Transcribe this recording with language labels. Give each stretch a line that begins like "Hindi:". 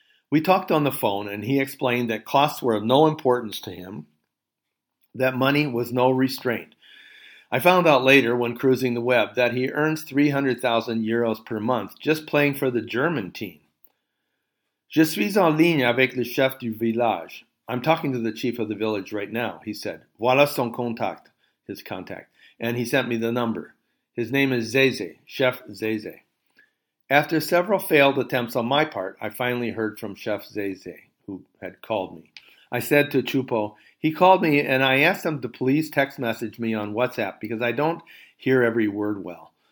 English: We talked on the phone, and he explained that costs were of no importance to him, that money was no restraint. I found out later when cruising the web that he earns 300,000 euros per month just playing for the German team.
French: Je suis en ligne avec le chef du village.
English: I'm talking to the chief of the village right now, he said.
French: Voilà son contact,
English: his contact. And he sent me the number. His name is Zeze, Chef Zeze. After several failed attempts on my part, I finally heard from Chef Zeze, who had called me. I said to Chupo, he called me and I asked him to please text message me on WhatsApp because I don't hear every word well.